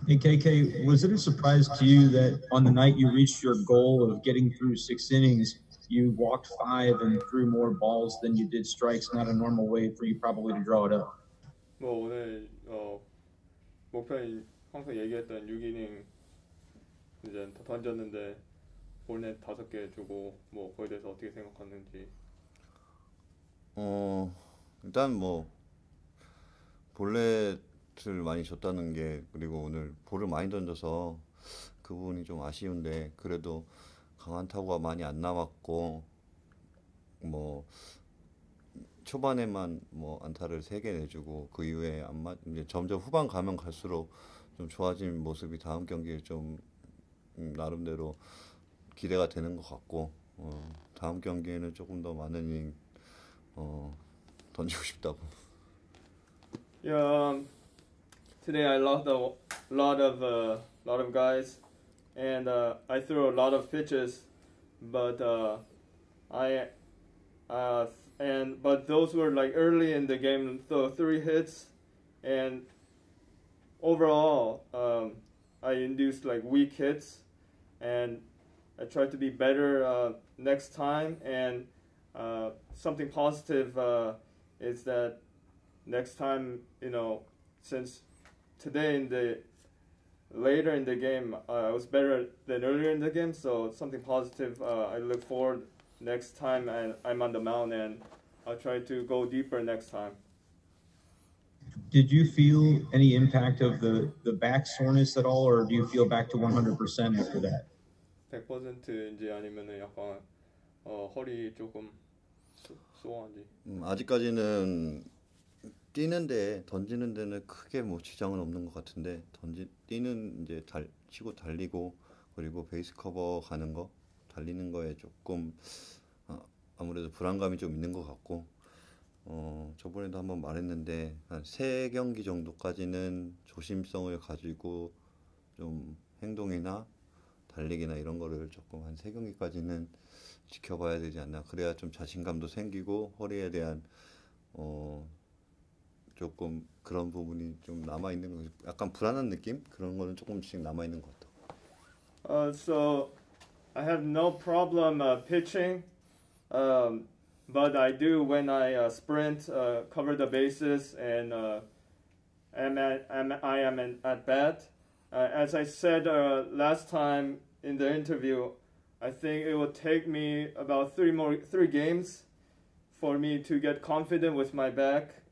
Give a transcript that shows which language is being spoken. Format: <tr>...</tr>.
<en>Hey, KK, was it a surprise to you that on the night you reached your goal of getting through six innings, you walked five and threw more balls than you did strikes? Not a normal way for you probably to draw it up.</en> <ko>뭐 오늘 목표인 항상 얘기했던 6이닝 이제 다 던졌는데 볼넷 5개 주고 뭐 거기에 대해서 어떻게 생각하는지. 일단 뭐 볼넷을 많이 줬다는 게, 그리고 오늘 볼을 많이 던져서 그 부분이 좀 아쉬운데, 그래도 강한 타구가 많이 안 나왔고, 뭐 초반에만 뭐 안타를 3개 내주고 그 이후에 아마 이제 점점 후반 가면 갈수록 좀 좋아진 모습이 다음 경기에 좀 나름대로 기대가 되는 것 같고, 다음 경기에는 조금 더 많은 던지고 싶다고.</ko> <en>Yeah, today I lost a lot of guys, and I threw a lot of pitches, but but those were like early in the game, so three hits, and overall, I induced like weak hits, and I tried to be better next time, and something positive is that. Next time, since today in the later in the game, I was better than earlier in the game. So something positive. I look forward next time, and I'm on the mound, and I'll try to go deeper next time. Did you feel any impact of the back soreness at all, or do you feel back to 100% after that?</en> <ko>100%인지 아니면은 약간 허리 조금 소원한지. 아직까지는 뛰는데 던지는 데는 크게 뭐 지장은 없는 것 같은데, 뛰는 이제 치고 달리고, 그리고 베이스 커버 가는 거 달리는 거에 조금 아무래도 불안감이 좀 있는 것 같고, 저번에도 한번 말했는데 한세 경기 정도까지는 조심성을 가지고 좀 행동이나 달리기나 이런 거를 조금 한세 경기까지는 지켜봐야 되지 않나. 그래야 좀 자신감도 생기고 허리에 대한 조금 그런 부분이 좀 남아 있는 거, 약간 불안한 느낌? 그런 거는 조금씩 남아 있는 것 같아.</ko> <en>So I have no problem pitching, but I do when I sprint, cover the bases, and I am at bat. As I said last time in the interview, I think it will take me about three games for me to get confident with my back.</en>